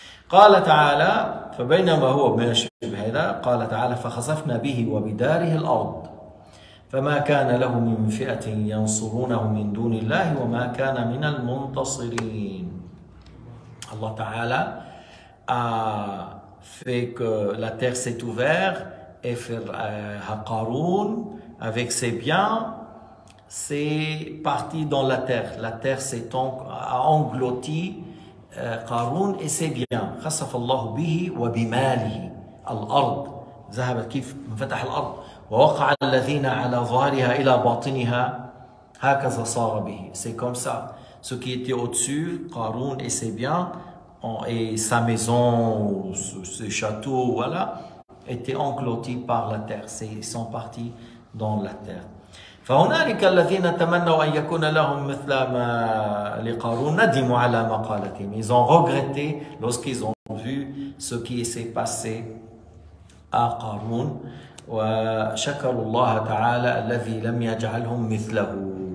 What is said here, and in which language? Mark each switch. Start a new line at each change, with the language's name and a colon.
Arabic: قال تعالى فبينما هو ماشي بهذا، قال تعالى فخسفنا به وبداره الأرض فما كان له من فئة ينصرونه من دون الله وما كان من المنتصرين.
French: Allah Ta'ala a fait que la terre s'est ouverte et fait à Qarun avec ses biens, c'est parti dans la terre. La terre s'est englouti Qarun et ses biens.
Arabic: Khassaf Allah bihi wa bimalihi al-ard. ذهبت كيف انفتح الأرض ووقع الذين على ظهرها إلى باطنها هكذا صار به.
French: C'est comme ça. Ce qui était au-dessus, Qarun et ses biens et sa maison, ses châteaux, voilà, étaient engloutis par la terre. C'est, ils sont partis dans la terre.
Arabic: فهنالك الذين تمنوا أن يكون لهم مثل ما لقارون ندموا على مقالتهم.
French: Ils ont regretté lorsqu'ils ont vu ce qui s'est passé à Qarun,
Arabic: وشكروا الله تعالى الذي لم يجعلهم مثله.